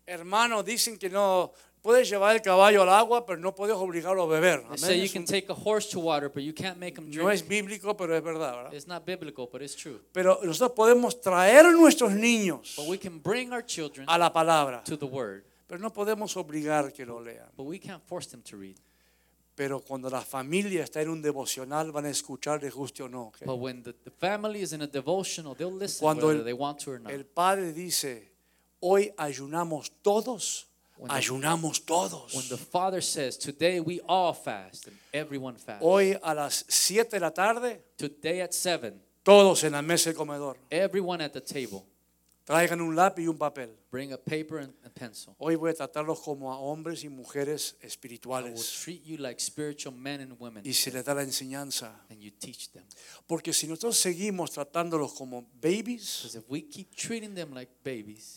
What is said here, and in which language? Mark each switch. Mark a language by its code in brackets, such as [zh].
[es] Hermano, dicen que no puedes llevar el caballo al agua, pero no puedes obligarlo a beber. [en] They say you can take a horse to water, but you can't make him drink. [es] No es bíblico, pero es verdad, ¿verdad? [en] It's not biblical, but it's true. [es] Pero nosotros podemos traer a nuestros niños. [en] But we can bring our children [es] a la palabra. [en] To the word. [es] Pero no podemos obligar que lo lean. [en] But we can't force them to read. [es] Pero cuando la familia está en un devocional, van a escuchar, les guste o no. [en] Okay? But when the family is in a devotional, they'll listen [es] cuando [en] whether they want to or not. [es] El padre dice, hoy ayunamos todos. [en] When the, [es] ayunamos todos. [en] When the father says, today we all fast and everyone fasts. [es] Hoy a las 7 de la tarde. [en] Today at 7. [es] Todos en la mesa del comedor. [en] Everyone at the table. [es] Traigan un lápiz y un papel. [en] Bring a paper and a pencil. [es] Hoy voy a tratarlos como a hombres y mujeres espirituales. [en] I will treat you like spiritual men and women. [es] Y se les da la enseñanza. [en] And you teach them. [es] Porque si nosotros seguimos tratándolos como babies, [en] because if we keep treating them like babies,